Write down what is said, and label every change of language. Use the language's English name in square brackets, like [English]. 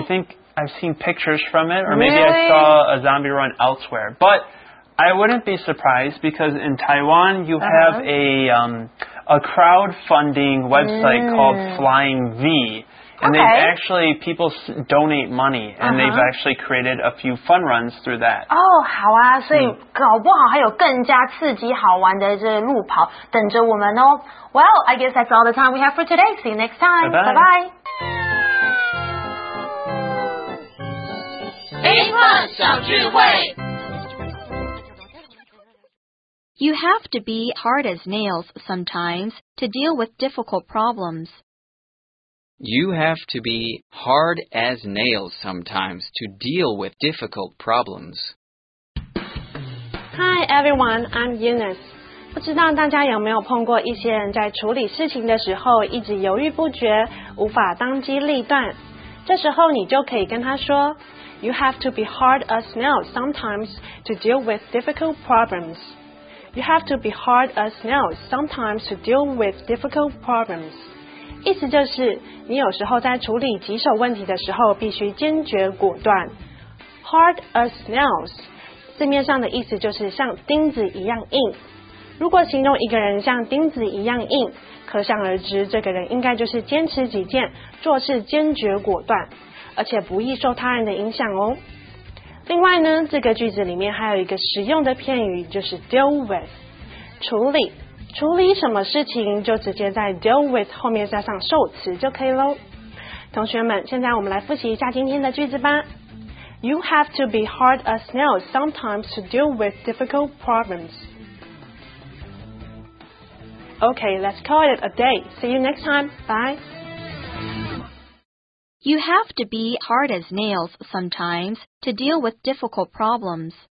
[English] I think I've seen pictures from it, or maybe I saw a zombie run elsewhere. But I wouldn't be surprised, because in Taiwan, you have a crowdfunding website called Flying V. And okay. they've actually, people donate money, and they've actually created a few fun runs through that. [Chinese] Oh, 好啊，所以搞不好还有更加刺激好玩的这路跑等着我们哦。 [English] Well, I guess that's all the time we have for today. See you next time. Bye-bye. Bye-bye. You have to be hard as nails sometimes to deal with difficult problems. You have to be hard as nails sometimes to deal with difficult problems. Hi everyone, I'm Eunice. [Chinese] 不知道大家有没有碰过一些人在处理事情的时候一直犹豫不决，无法当机立断。这时候你就可以跟他说 [English] You have to be hard as nails sometimes to deal with difficult problems. You have to be hard as nails sometimes to deal with difficult problems. [Chinese] 意思就是你有时候在处理棘手问题的时候必须坚决果断。 [English] Hard as nails [Chinese] 字面上的意思就是像钉子一样硬。如果形容一个人像钉子一样硬，可想而知，这个人应该就是坚持己见，做事坚决果断，而且不易受他人的影响哦。另外呢，这个句子里面还有一个实用的片语，就是 deal with， 处理，处理什么事情，就直接在 deal with 后面加上受词就可以咯。同学们，现在我们来复习一下今天的句子吧。 [English] You have to be hard as nails sometimes to deal with difficult problems. Okay, let's call it a day. See you next time. Bye. You have to be hard as nails sometimes to deal with difficult problems.